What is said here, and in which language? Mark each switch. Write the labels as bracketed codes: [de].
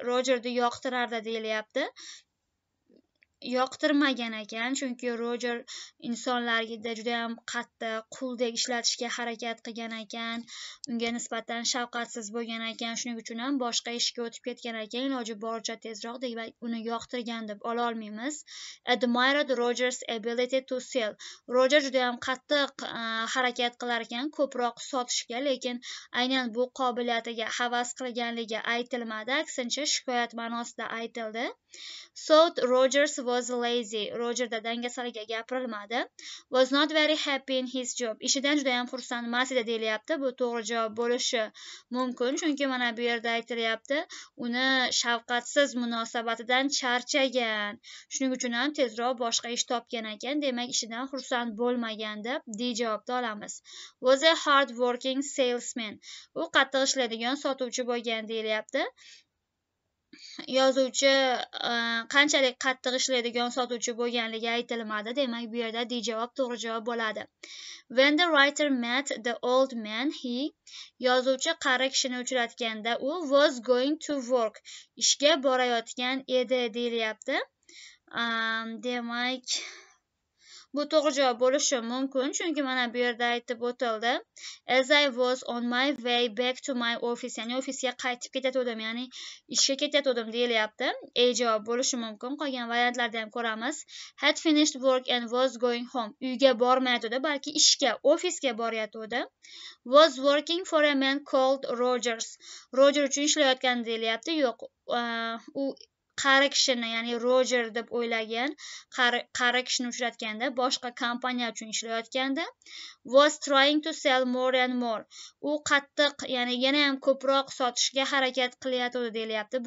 [uz] Rogerni yoqtirardi deyilyapti. Yoqtirmagan ekan, chunki Roger insonlarga juda ham qattiq quldek ishlatishga harakat qilgan ekan, unga nisbatan shafqatsiz bo'lgan ekan, shuning uchun ham boshqa ishga o'tib ketgan ekan, iloji boricha tezroq deb uni yoqtirgan deb ola olmaymiz. [en] Admired Roger's ability to sell. [uz] Roger juda ham qattiq harakat qilar ekan ko'proq sotishga, lekin aynan bu qobiliyatiga havas qilganligi aytilmadi, aksincha shikoyat ma'nosida aytildi. [en] So Roger was lazy. [uz] Roger da dangasaliga gapirilmadi. [en] Was not very happy in his job. [uz] Ishidan juda ham xursand emas edi deyilyapti. Bu to'g'ri javob bo'lishi mumkin, chunki mana bu yerda aytilyapti, uni shafqatsiz munosabatidan charchagan. Shuning uchun ham tezroq boshqa ish topgan ekan. Demak, ishidan xursand bo'lmagan deb D javobni olamiz. [en] Was a hard working salesman. [uz] U qattiq ishlaydigan sotuvchi bo'lgan deyilyapti. Yozuvchi qanchalik qattiq ishlaydigan sotuvchi bo'lganligi aytilmadi. Demak, bu yerda D javob to'g'ri javob bo'ladi. [en] When the writer met the old man, he [uz] yozuvchi qari kishini uchratganda u [en] was going to work. [uz] Ishga borayotgan edi deyilyapti. Demak, bu to'g'ri javob bo'lishi mumkin, chunki mana bu yerda aytib o'tildi. [en] As I was on my way back to my office, [uz] ya'ni ofisga qaytib ketayotdim, ya'ni ishga ketayotdim deyilyapti. A javob bo'lishi mumkin. Qolgan variantlarda ham ko'ramiz. [en] Had finished work and was going home. [uz] Uyga bormayotdi, balki ishga, ofisga boryotdi. [en] Was working for a man called Rogers. [uz] Roger uchun ishlayotgan deyilyapti. Yo'q, u qari kishini, ya'ni Roger deb o'ylagan, qari kishini uchratganda boshqa kompaniya uchun ishlayotganda [en] was trying to sell more and more. [uz] U qattiq, ya'ni yana ham ko'proq sotishga harakat qilyapti deyilyapti.